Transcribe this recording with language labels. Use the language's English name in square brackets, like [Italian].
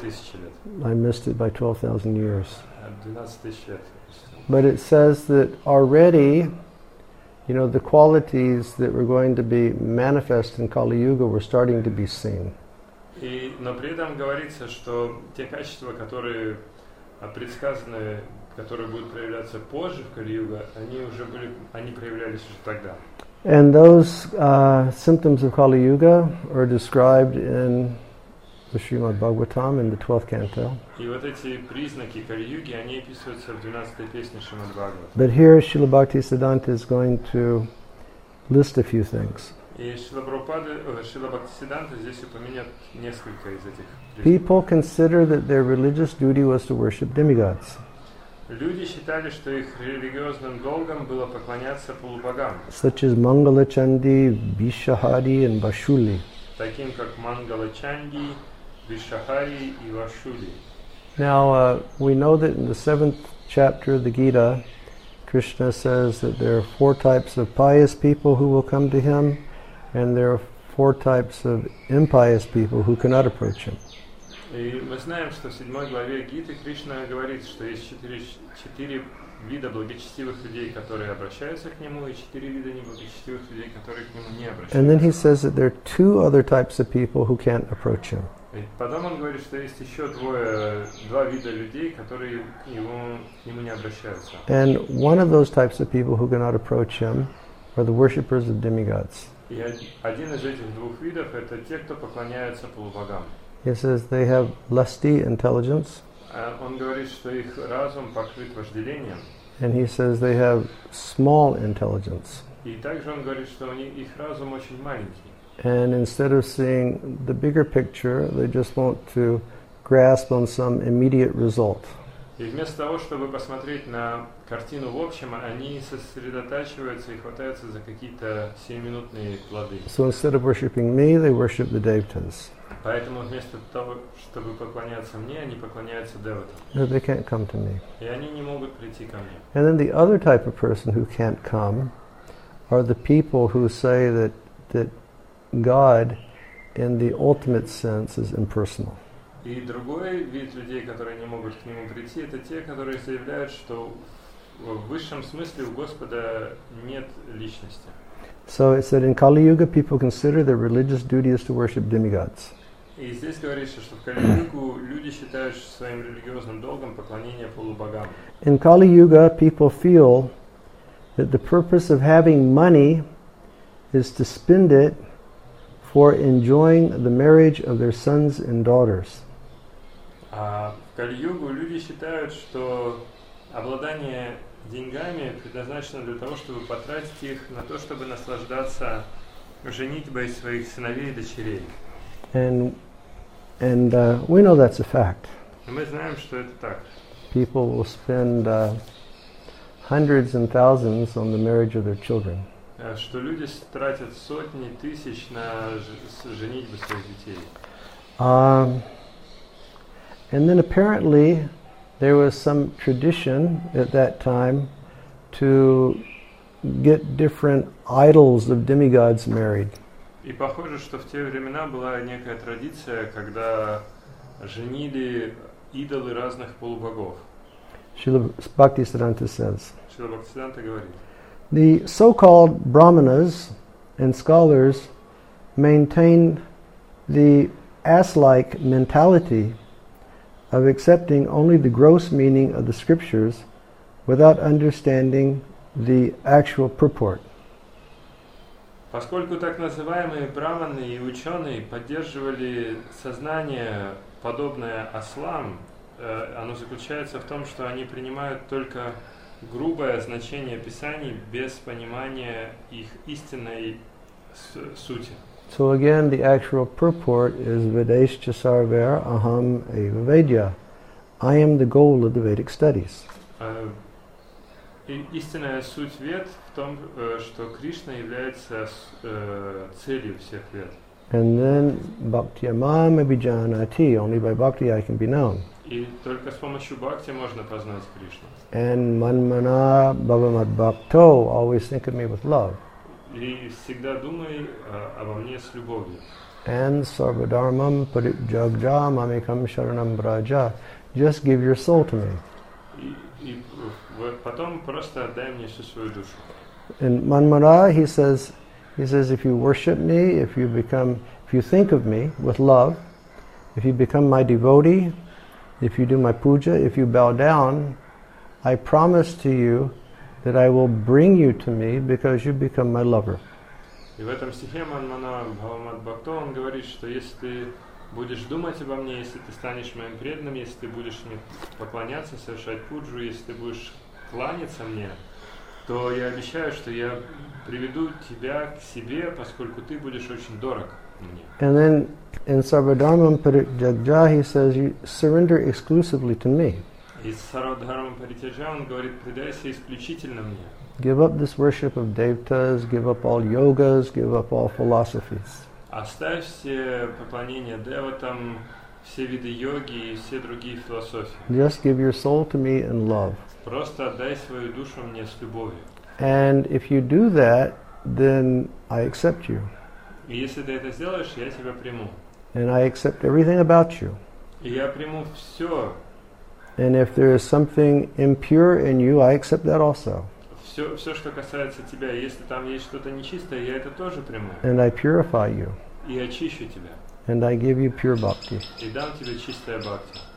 [Russian] тысячи лет. [English] I missed it by 12,000 years. [Russian] 12 тысяч лет. [English] But it says that already, you know, the qualities that were going to be manifest in Kali-Yuga were starting to be seen. [Russian] Но при этом говорится, что те качества, которые предсказаны, которые будут проявляться позже в Кали-Юге, они уже были, они проявлялись уже тогда. [English] And those symptoms of Kali-Yuga are described in the Srimad Bhagavatam in the 12th canto. [Russian] И вот эти признаки Кали-Юги, они описываются в 12-й песне Шримад Бхагаватам. [English] But here Śrīla Bhaktisiddhānta is going to list a few things. [Russian] И Śrīla Bhaktisiddhānta здесь упомянет несколько из этих. [English] People consider that their religious duty was to worship demigods. [Russian] Люди считали, что их религиозным долгом было поклоняться полубогам. [English] Such as Mangala Chandi, Vishahari and Vashuli. [Russian] Таким как Mangala Chandi, Vishahari и Vashuli. [English] Now, we know that in the 7th chapter of the Gita, Krishna says that there are four types of pious people who will come to him, and there are four types of impious people who cannot approach him. [Russian] И мы знаем, что в 7 главе Гиты Кришна говорит, что есть четыре вида благочестивых людей, которые обращаются к нему, и четыре вида неблагочестивых людей, которые к нему не обращаются. [English] And then he says that there are two other types of people who can't approach him. [Russian] И потом он говорит, что есть еще два вида людей, которые к нему не обращаются. [English] And one of those types of people who cannot approach him are the worshippers of demigods. [Russian] И один из этих двух видов — это те, кто поклоняются полубогам. [English] He says they have lusty intelligence. [Russian] Он говорит, что их разум покрыт вожделением. [English] And he says they have small intelligence. [Russian] И также он говорит, что их разум очень маленький. [English] And instead of seeing the bigger picture, they just want to grasp on some immediate result. [Russian] И вместо того, чтобы посмотреть на картину в общем, они сосредотачиваются и хватаются за какие-то сиюминутные плоды. [English] So instead of worshipping me, they worship the devtas. [Russian] Поэтому вместо того, чтобы поклоняться мне, они поклоняются деватам. [English] No, they can't come to me. [Russian] И они не могут прийти ко мне. [English] And then the other type of person who can't come are the people who say that God, in the ultimate sense, is impersonal. [Russian] И другой вид людей, которые не могут к нему прийти, это те, которые заявляют, что в высшем смысле у Господа нет личности. [English] So it said in Kali Yuga, people consider their religious duty is to worship demigods. [Russian] И здесь говорится, что в Кали-Югу люди считают своим религиозным долгом поклонение полубогам. [English] In Kali Yuga, people feel that the purpose of having money is to spend it for enjoying the marriage of their sons and daughters. [Russian] В Кали-Югу люди считают, что обладание деньгами предназначено для того, чтобы потратить их на то, чтобы наслаждаться женитьбой своих сыновей и дочерей. [English] And we know that's a fact. [Russian] И мы знаем, что это так. [English] People will spend hundreds and thousands on the marriage of their children. [Russian] Что люди тратят сотни тысяч на женитьбу своих детей. [English] And then apparently there was some tradition at that time to get different idols of demigods married. [Russian] И похоже, что в те времена была некая традиция, когда женили идолы разных полубогов. [English] Шрила Бхактисиддханта says. [Russian] Шрила Бхактисиддханта говорит. [English] The so-called brahmanas and scholars maintain the ass-like mentality of accepting only the gross meaning of the scriptures without understanding the actual purport. [Russian] Поскольку так называемые браманы и ученые поддерживали сознание, подобное ослам, оно заключается в том, что они принимают только грубое значение писаний без понимания их истинной сути. [English] So again, the actual purport is [Sanskrit] Vedaischa Sarvair Aham Eva Vedya. [English] I am the goal of the Vedic studies. [Russian] Истинная суть Вед в том, что Кришна является целью всех Вед. [English] And then [Sanskrit] Bhakti Amam Abhijanati. [English] Only by Bhakti I can be known. [Russian] И только с помощью Бхакти можно познать Кришну. [Sanskrit] And Manmana Bhavamad Bhakto. [English] Always think of me with love. [Russian] И всегда думай обо мне с любовью. [Sanskrit] And sarvadharmam parityajya mamekam sharanam braja. [English] Just give your soul to me. [Russian] И потом просто отдай мне всю свою душу. [English] And Manmana, he says, if you worship me, if you think of me with love, if you become my devotee, if you do my puja, if you bow down, I promise to you that I will bring you to me because you become my lover. [Russian] И в этом стихе [Sanskrit] Манмана Бхавамад Бхакто, [Russian] он говорит, что если ты будешь думать обо мне, если ты станешь моим преданным, если ты будешь мне поклоняться, совершать пуджу, если ты будешь кланяться мне, то я обещаю, что я приведу тебя к себе, поскольку ты будешь очень дорог мне. [English] And then in [Sanskrit] Sarvadharmam Parityajya, [English] he says, you surrender exclusively to me. [Russian] И [Sanskrit] Сарвадхарма Паритяджа, [Russian] он говорит, предайся исключительно мне. [English] Give up this worship of devtas, give up all yogas, give up all philosophies. [Russian] Оставь все поклонения деватам, все виды йоги и все другие философии. [English] Just give your soul to me in love. [Russian] Просто отдай свою душу мне с любовью. [English] And if you do that, then I accept you. [Russian] И если ты это сделаешь, я тебя приму. [English] And I accept everything about you. [Russian] И я приму все. [English] And if there is something impure in you, I accept that also. [Russian] Все, что касается тебя, если там есть что-то нечистое, я это тоже приму. [English] And I purify you. [Russian] И очищу тебя. [English] And I give you pure bhakti. [Russian] И дам тебе чистое бхакти.